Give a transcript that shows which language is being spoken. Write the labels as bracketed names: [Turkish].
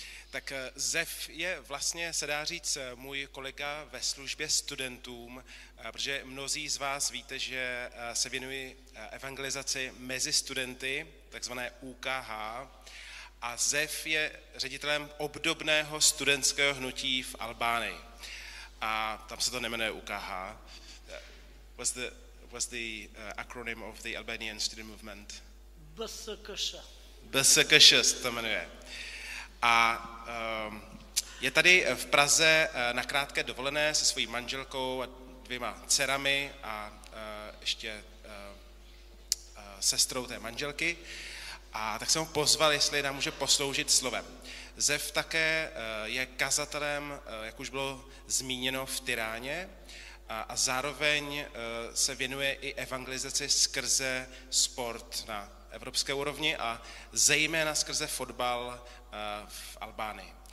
[Czech] Tak Zef je vlastně, se dá říct, můj kolega ve službě studentům, protože mnozí z vás víte, že se věnují evangelizaci mezi studenty, takzvané UKH, a Zef je ředitelem obdobného studentského hnutí v Albánii. A tam se to nejmenuje UKH. [English] What's the acronym of the Albanian student movement? [Czech] BSKŠ. BSKŠ se to jmenuje. A je tady v Praze na krátké dovolené se svojí manželkou a dvěma dcerami a ještě sestrou té manželky. A tak jsem ho pozval, jestli nám může posloužit slovem. Zef také je kazatelem, jak už bylo zmíněno, v Tiráně a zároveň se věnuje i evangelizaci skrze sport na evropské úrovni a zejména skrze fotbal v Albánii.